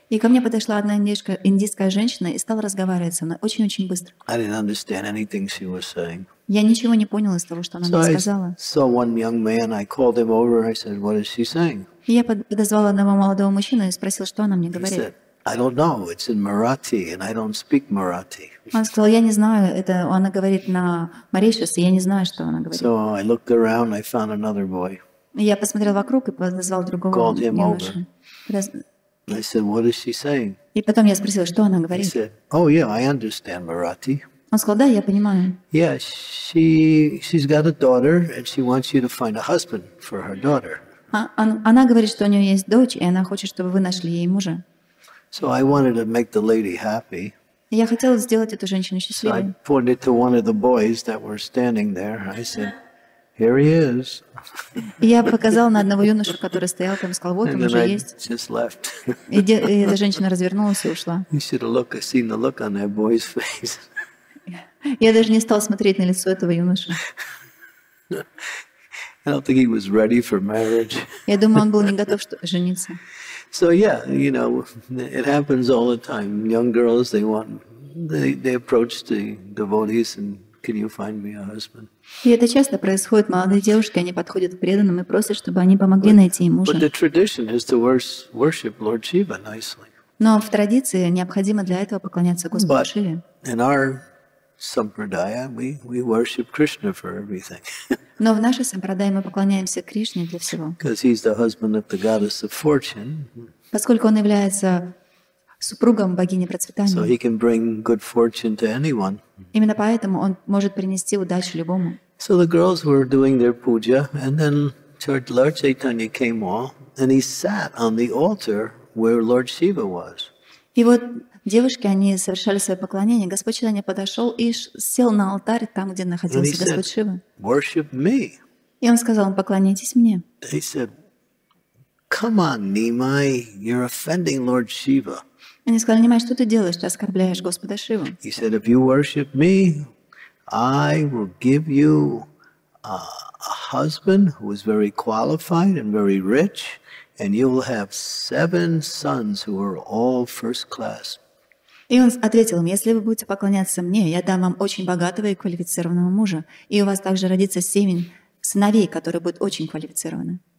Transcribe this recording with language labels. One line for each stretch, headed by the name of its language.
Russian: И ко мне подошла одна индийская женщина и стала разговаривать со мной очень-очень быстро.
English: I didn't understand anything she was saying.
Russian: Я ничего не понял из того, что она мне сказала.
English: So I saw one young man, I called him over, I said, what is she saying?
Russian: И я подозвала одного молодого мужчину и спросил, что она мне говорит.
English: He said, I don't know, it's in Marathi, and I don't speak Marathi.
Russian: Он сказал, я не знаю, это она говорит на Маришасе, я не знаю, что она говорит.
English: So I looked around, I found another boy.
Russian: И я посмотрел вокруг и подозвал другого мужчину.
English: I said, what is she saying?
Russian: И потом я спросила, что она говорит.
English: He said, oh yeah, I understand Marathi.
Russian: Он сказал, да, я понимаю.
English: Yeah, she's got a daughter and she wants you to find a husband for her daughter.
Russian: Она говорит, что у нее есть дочь, и она хочет, чтобы вы нашли ей мужа.
English: So I wanted to make the lady happy.
Russian: Я хотела сделать эту женщину счастливой.
English: So I pointed to one of the boys that were standing there. I said, here he is.
Russian: Я показал на одного юношу, который стоял там, сказал, вот он уже есть.
English: Just left.
Russian: И эта женщина развернулась и ушла.
English: You should have looked, seen the look on that boy's face.
Russian: Я даже не стал смотреть на лицо этого юноши.
English: I don't think he was ready for marriage.
Russian: Я думаю, он был не готов, чтобы жениться.
English: So yeah, you know, it happens all the time. Young girls, they want, they approach the devotees and can you find me a husband?
Russian: И это часто происходит. Молодые девушки, они подходят к преданным и просят, чтобы они помогли найти им мужа.
English: But the tradition is to worship Lord Shiva nicely.
Russian: Но в традиции необходимо для этого поклоняться Господу Шиве.
English: In our sampradaya, we worship Krishna for everything.
Russian: Но в нашей сампрадае мы поклоняемся Кришне для всего.
English: Because he's the husband of the goddess of fortune.
Russian: Поскольку он является супругом богини процветания.
English: So he can bring good fortune to anyone.
Russian: Именно поэтому он может принести удачу любому.
English: So the girls were doing their puja, and then Lord Chaitanya came along, and he sat on the altar where Lord Shiva was.
Russian: И вот девушки, они совершали свое поклонение. Господь Чайтанья подошел и сел на алтарь там, где находился Господь Шива.
English: Worship me.
Russian: И он сказал, поклоняйтесь мне.
English: He said, come on, Nimai, you're offending Lord Shiva.
Russian: Они сказали, Нимай, что ты делаешь? Ты оскорбляешь Господа Шиву.
English: He said, if you worship me, I will give you a husband who is very qualified and very rich, and you will have 7 sons who are all first class.
Russian: И он ответил им, если вы будете поклоняться мне, я дам вам очень богатого и квалифицированного мужа, и у вас также родится 7 сыновей, которые будут очень квалифицированы.